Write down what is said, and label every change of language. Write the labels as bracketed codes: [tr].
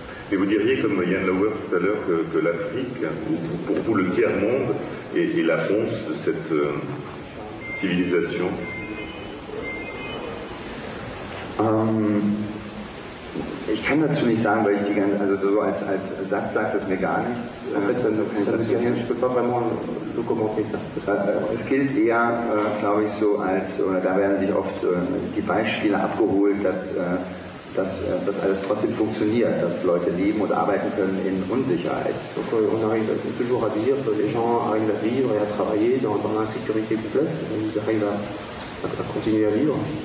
[fr] Mais vous diriez, comme Jan Lauer tout à l'heure, que l'Afrique, pour vous, le tiers-monde, est la ponce de cette civilisation. [de] Ich kann dazu nicht sagen, weil ich die ganze, also so als Satz sagt das mir gar nichts. [fr] Ich peux pas vraiment le commenter ça. [de] Es gilt eher, glaube ich, so als, oder da werden sich oft die Beispiele abgeholt, dass alles trotzdem funktioniert, dass Leute leben und arbeiten können in Unsicherheit. [fr] Donc on arrive toujours à dire que les gens arrivent à vivre et à travailler dans l'insécurité du peuple, ils arrivent à continuer à vivre.